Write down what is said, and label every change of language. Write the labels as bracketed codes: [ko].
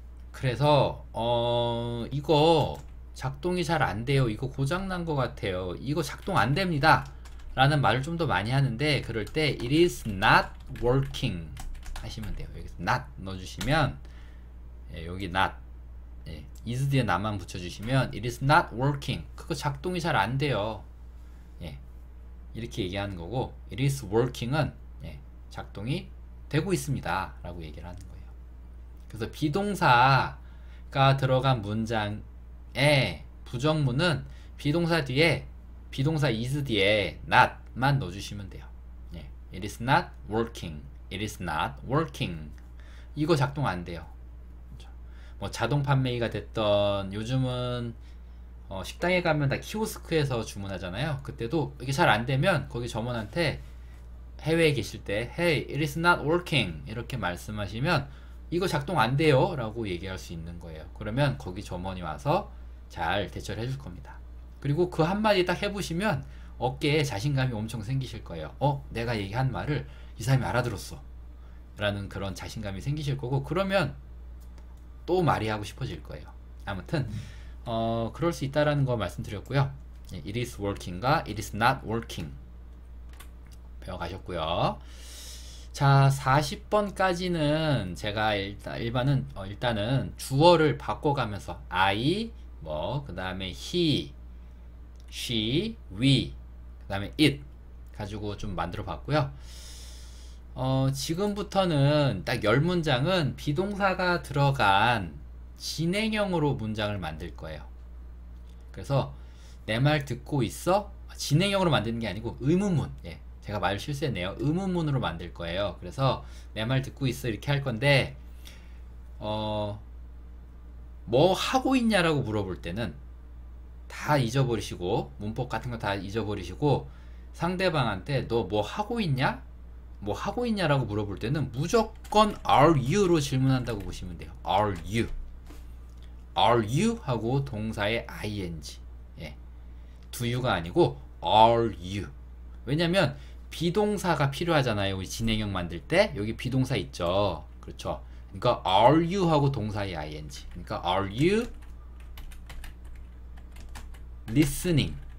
[ko] 그래서 이거 작동이 잘안 돼요. 이거 고장 난것 같아요. 이거 작동 안 됩니다. 라는 말을 좀더 많이 하는데 그럴 때 [en] it is not working [ko] 하시면 돼요. 여기서 not 넣어주시면 예, 여기 not. 예, is 뒤에 not만 붙여주시면 [en] it is not working. [ko] 그거 작동이 잘안 돼요. 예, 이렇게 얘기하는 거고 [en] it is working [ko] 은 예, 작동이 되고 있습니다 라고 얘기를 하는 거예요. 그래서 비동사가 들어간 문장에 부정문은 비동사 뒤에 비동사 is 뒤에 not만 넣어주시면 돼요. [en] 예, it is not working. It is not working. [ko] 이거 작동 안 돼요. 뭐 자동 판매기가 됐던 요즘은 식당에 가면 다 키오스크에서 주문하잖아요. 그때도 이게 잘안 되면 거기 점원한테 해외에 계실 때 [en] Hey, it is not working. [ko] 이렇게 말씀하시면 이거 작동 안 돼요. 라고 얘기할 수 있는 거예요. 그러면 거기 점원이 와서 잘 대처를 해줄 겁니다. 그리고 그 한마디 딱 해보시면 어깨에 자신감이 엄청 생기실 거예요. 내가 얘기한 말을 이 사람이 알아들었어. 라는 그런 자신감이 생기실 거고, 그러면 또 말이 하고 싶어질 거예요. 아무튼, 그럴 수 있다라는 거 말씀드렸고요. [en] It is working과 it is not working. [ko] 배워가셨고요. 자, 40번까지는 제가 일단은 주어를 바꿔가면서 I, 뭐, 그 다음에 he, she, we, 그 다음에 it 가지고 좀 만들어 봤고요. 지금부터는 딱 10문장은 비동사가 들어간 진행형으로 문장을 만들 거예요. 그래서 내말 듣고 있어? 진행형으로 만드는 게 아니고 의문문. 예, 제가 말을 실수했네요. 의문문으로 만들 거예요. 그래서 내말 듣고 있어 이렇게 할 건데 뭐 하고 있냐라고 물어볼 때는 다 잊어버리시고 문법 같은 거다 잊어버리시고 상대방한테 너뭐 하고 있냐? 뭐 하고 있냐라고 물어볼 때는 무조건 [en] are you [ko] 로 질문한다고 보시면 돼요. [en] Are you? Are you? [ko] 하고 동사에 ing. 예. [en] Do you가 [ko] 아니고 [en] are you. [ko] 왜냐면 비동사가 필요하잖아요. 여기 진행형 만들 때. 여기 비동사 있죠. 그렇죠. [en] 그러니까 are you? [ko] 하고 동사에 ing. 그러니까 [en] are you listening?